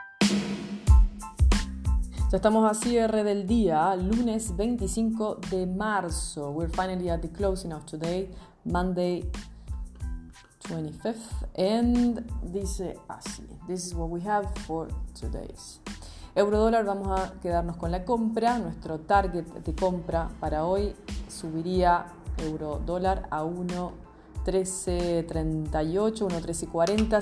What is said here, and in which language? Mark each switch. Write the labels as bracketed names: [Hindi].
[Spanish] Ya estamos a cierre del día, lunes 25 de marzo. [English] We're finally at the closing of today, Monday 25th. And [Spanish] dice así, [English] this is what we have for today's. [Spanish] Eurodólar, vamos a quedarnos con la compra. Nuestro target de compra para hoy subiría eurodólar a 1.1338, 1.1340.